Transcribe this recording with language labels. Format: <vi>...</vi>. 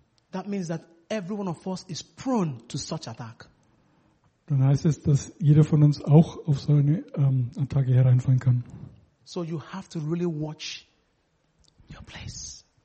<en>that means that every one of us is prone to such attack.</en> <de>Dann heißt es, dass jeder von uns auch auf so eine Attacke hereinfallen kann.</de> <en>So you have to really watch your place.</en>